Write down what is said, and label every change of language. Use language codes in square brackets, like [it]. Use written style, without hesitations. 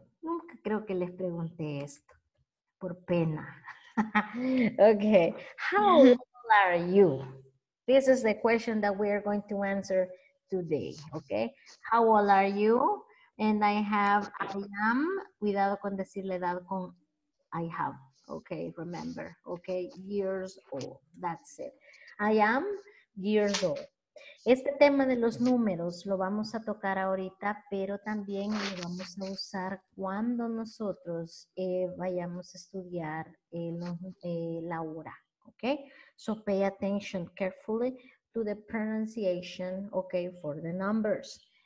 [es] Nunca creo que les pregunté esto por pena. [en] Okay, how old are you? This is the question that we are going to answer today. Okay, how old are you? And I am. [es] Cuidado con decir la edad con [en] I have. Okay, remember. Okay, years old. That's it. I am years old. [es] Este tema de los números lo vamos a tocar ahorita, pero también lo vamos a usar cuando nosotros vayamos a estudiar la hora. [en] Okay? So pay attention carefully to the pronunciation, okay, for the numbers.